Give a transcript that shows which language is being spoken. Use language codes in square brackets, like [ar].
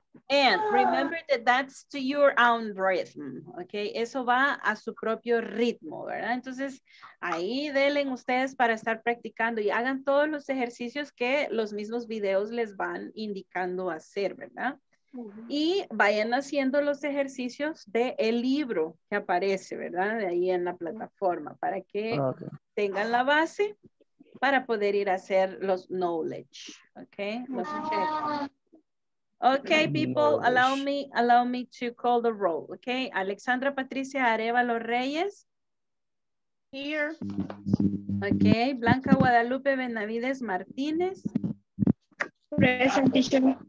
[en] And remember that that's to your own rhythm, okay? [es] Eso va a su propio ritmo, ¿verdad? Entonces, ahí delen ustedes para estar practicando y hagan todos los ejercicios que los mismos videos les van indicando hacer, ¿verdad? Uh-huh. Y vayan haciendo los ejercicios del libro que aparece, ¿verdad? De ahí en la plataforma para que tengan la base para poder ir a hacer los knowledge, okay? Los checks. [en] Okay, people, allow me to call the roll, okay? Alexandra Patricia Arevalo Reyes. Here. Okay, Blanca Guadalupe Benavides Martínez. Present, teacher.